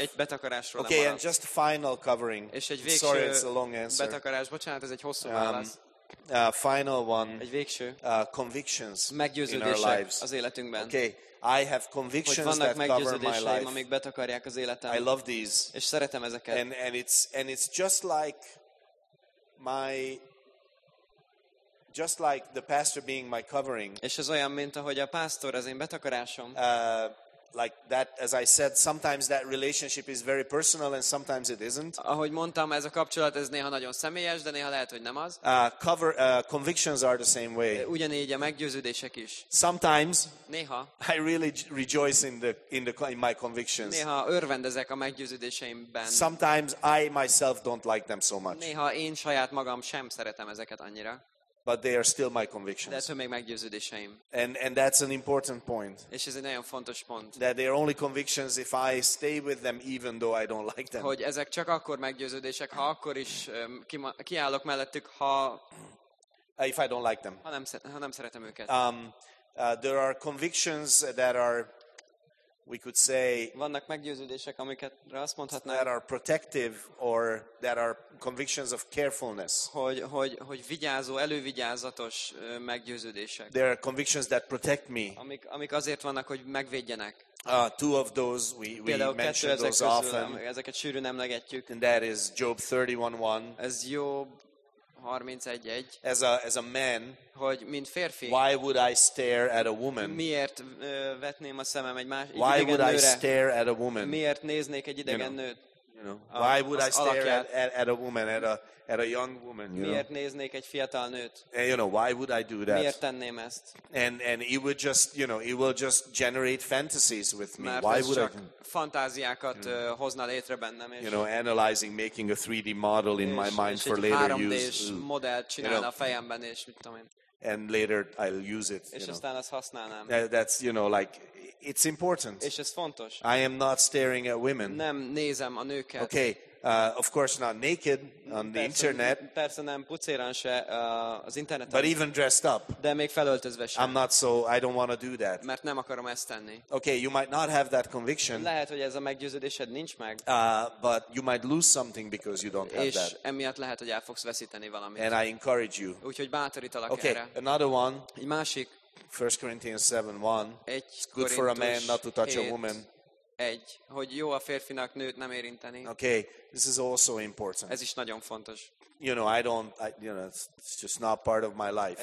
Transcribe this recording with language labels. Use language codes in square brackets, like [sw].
[hu] Egy betakarásról lemaradsz. [en] Okay, and just final covering. [hu] És egy végső, [en] sorry, it's a long answer. [hu] Betakarás, bocsánat, ez egy hosszú válasz. [en] Final one. [hu] Egy végső. [en] Convictions. [hu] Meggyőződések [en] in our lives. [hu] Az életünkben. [en] Okay. I have convictions [hu] hogy vannak [en] that cover my life. [hu] Amik betakarják az életem. [en] I love these. [hu] És szeretem ezeket. [en] And it's just like my, just like the pastor being my covering. [hu] És ez olyan, mint ahogy a pásztor az én betakarásom. [en] Like that, as I said, sometimes that relationship is very personal and sometimes it isn't. [hu] Ahogy mondtam, ez a kapcsolat ez néha nagyon személyes, de néha lehet, hogy nem az. [en] Convictions are the same way. [hu] Ugyanígy a meggyőződések is. [en] Sometimes, [hu] néha, [en] I really rejoice in my convictions. [hu] Néha örvendezek a meggyőződéseimben. [en] Sometimes I myself don't like them so much. [hu] Néha én saját magam sem szeretem ezeket annyira. [en] But they are still my convictions. [hu] De még meggyőződéseim. [en] And that's an important point. [hu] És ez egy nagyon fontos pont. [en] That they are only convictions if I stay with them even though I don't like them. [hu] Hogy ezek csak akkor meggyőződések, ha akkor is kiállok mellettük, ha [en] if I don't like them. [hu] Ha nem szeretem őket. [en] There are convictions that are, we could say, [hu] vannak meggyőződések, amiket azt mondhatnánk, [en] that are protective or that are convictions of carefulness. [hu] Hogy vigyázó, elővigyázatos meggyőződések. [en] There are convictions that protect me. [hu] Amik azért vannak, hogy megvédjenek. [en] Two of those we mention those [hu] közül, [en] often. [hu] Ezeket sűrűn emlegetjük. [en] And that is Job 31:1. [hu] Ez Job 31:1. [en] As a man, [hu] hogy mint férfi, [en] why would I stare at a woman? [hu] Miért vetném a szemem egy másik [en] why [hu] idegen [en] would [hu] nőre? [en] I stare at a woman? [hu] Miért néznék egy idegen [en] you know, [hu] nőt? [en] You know, why would I stare at a woman, at a young woman? You [hu] miért [en] know? [hu] Néznék egy fiatal nőt? [en] And, you know, why would I do that? [hu] Miért tenném ezt? [en] And it would just, you know, it will just generate fantasies with me. [hu] Mert [en] why would [hu] csak [en] I? [hu] Fantáziákat [en] you know, [hu] hozna létre bennem. [en] You know, analyzing, making a 3D model in my mind for later use. [hu] És egy 3D-s modellt csinálna a fejemben, és mit tudom én. [en] And later I'll use it. [hu] És aztán azt használnám. [en] That's, you know, like, it's important. [hu] És ez fontos. [en] I am not staring at women. [hu] Nem nézem a nőket. [en] Okay, of course not naked on the internet. [hu] Persze nem pucéran se az interneten. [en] But even dressed up. [hu] De még felöltözve sem. [en] I'm not so, I don't want to do that. [hu] Mert nem akarom ezt tenni. [en] Okay, you might not have that conviction. [hu] Lehet, hogy ez a meggyőződésed nincs meg. [en] But you might lose something because you don't have that. [hu] És emiatt lehet, hogy el fogsz veszíteni valamit. [en] And I encourage you. [hu] Úgyhogy bátorítalak erre. [en] Okay, another one. [hu] Egy másik. [en] 1 Corinthians 7:1. It's good for a man not to touch a woman. [hu] Egy, hogy jó a férfinak nőt nem érinteni. [en] Okay, this is also important. [hu] Ez is nagyon fontos. [en] You know, I don't, it's just not part of my life.